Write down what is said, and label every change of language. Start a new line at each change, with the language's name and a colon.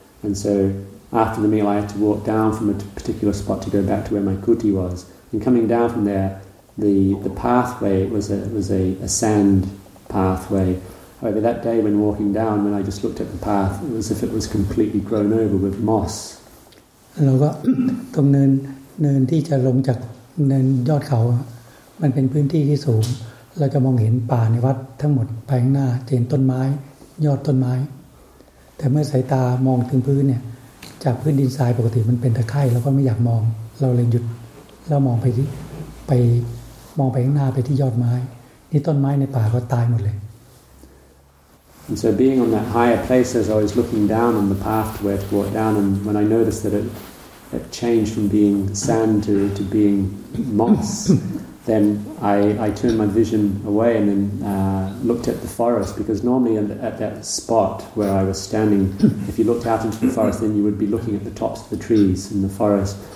English: And so after the meal, I had to walk down from a particular spot to go back to where my kuti was. And coming down from there, the pathway was a sand pathway. However, that day when walking down, when I just looked at the path, it was as if it was completely grown over with moss.
Thai: เราก็ตรงเนินที่จะลงจากเนินยอดเขามันเป็นพื้นที่ที่สูงเราจะมองเห็นป่าในวัดทั้งหมดภายหน้าเห็นต้นไม้ยอดต้นไม้แต่เมื่อสายตามองถึงพื้นเนี่ยจากพื้นดินทรายปกติมันเป็นตะไคร้เราก็ไม่อยากมองเราเลยหยุดแล้วมองไปข้างหน้าไปที่ยอดไม้นี่ต้นไม้ในป่าก็ตายหมดเลย
English: And so being on that higher place as I was looking down on the path to where to walk down and when I noticed that it changed from being sand to being moss, then I turned my vision away and then looked at the forest because normally at that spot where I was standing, if you looked out into the forest, then you would be looking at the tops of the trees in the forest.